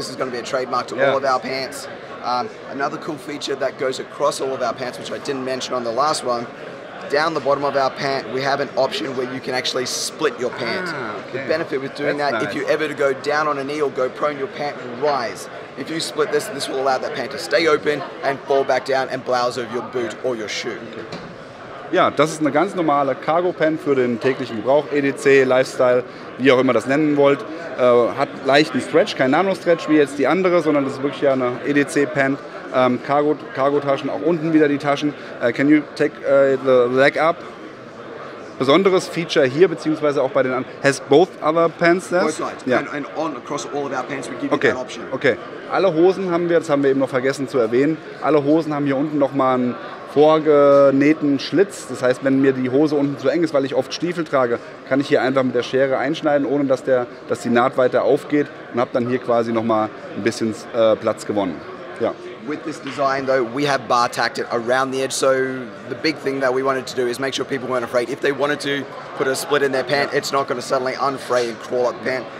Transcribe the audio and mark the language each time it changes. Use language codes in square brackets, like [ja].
[en] This is going to be a trademark to all of our pants. Another cool feature that goes across all of our pants, which I didn't mention on the last one, down the bottom of our pant, we have an option where you can actually split your pant. The benefit with doing That's that, nice. If you ever to go down on a knee or go prone, your pant will rise. If you split this, this will allow that pant to stay open and fall back down and blouse over your boot or your shoe. [de] Ja, das ist eine ganz normale Cargo-Pant für den täglichen Gebrauch, EDC, Lifestyle, wie auch immer das nennen wollt. Hat leichten Stretch, kein Nano-Stretch wie jetzt die andere, sondern das ist wirklich ja eine EDC-Pant. Cargo-Taschen, auch unten wieder die Taschen. [en] Can you take the leg up? [de] Besonderes Feature here, beziehungsweise auch bei den anderen. [en] Has both other pants there? Both sides. Yeah. And on across all of our pants, we give you that option. Okay. [de] Alle Hosen haben wir, das haben wir eben noch vergessen zu erwähnen, alle Hosen haben hier unten nochmal einen vorgenähten Schlitz. Das heißt, wenn mir die Hose unten zu eng ist, weil ich oft Stiefel trage, kann ich hier einfach mit der Schere einschneiden, ohne dass die Naht weiter aufgeht, und habe dann hier quasi nochmal ein bisschen Platz gewonnen. Ja. [en] With this design though, we have bar tacked it around the edge, so the big thing that we wanted to do is make sure people weren't afraid. If they wanted to put a split in their pant, it's not going to suddenly unfray and crawl up the pant.